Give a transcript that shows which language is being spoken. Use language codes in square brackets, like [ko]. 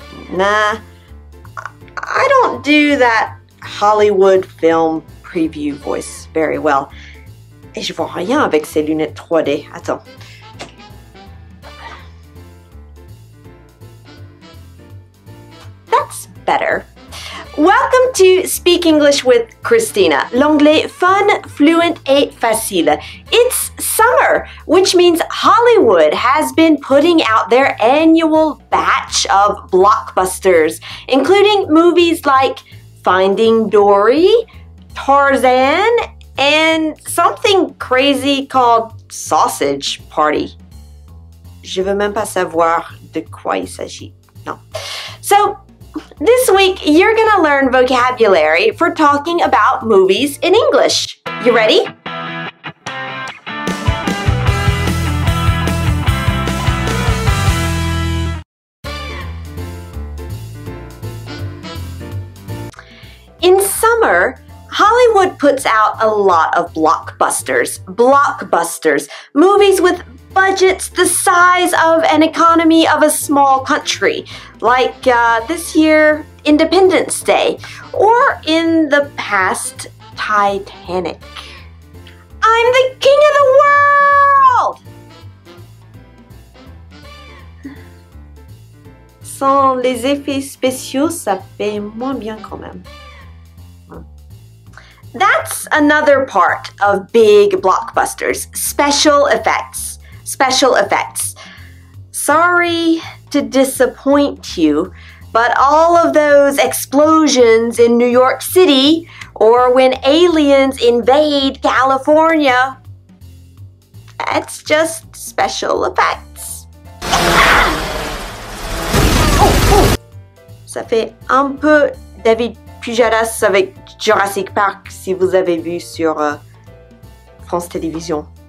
[en] Nah, I don't do that Hollywood film preview voice very well. [fr] Et je vois rien avec ces lunettes 3D. Attends. [en] That's better. Welcome to Speak English with Christina, [fr] l'anglais fun, fluent et facile. [en] It's summer, which means Hollywood has been putting out their annual batch of blockbusters, including movies like Finding Dory, Tarzan, and something crazy called Sausage Party. [fr] Je veux même pas savoir de quoi il s'agit. Non. [en] So, this week, you're gonna learn vocabulary for talking about movies in English. You ready? In summer, Hollywood puts out a lot of blockbusters. Blockbusters. Movies with budgets the size of an economy of a small country, like this year, Independence Day, or in the past, Titanic. I'm the king of the world! [fr] Sans les effets spéciaux, ça fait moins bien quand même. [en] That's another part of big blockbusters, special effects. Special effects. Sorry to disappoint you, but all of those explosions in New York City, or when aliens invade California, that's just special effects. Oh, oh. [fr] Ça fait un peu David Pujadas avec Jurassic Park, si vous avez vu sur France Télévisions.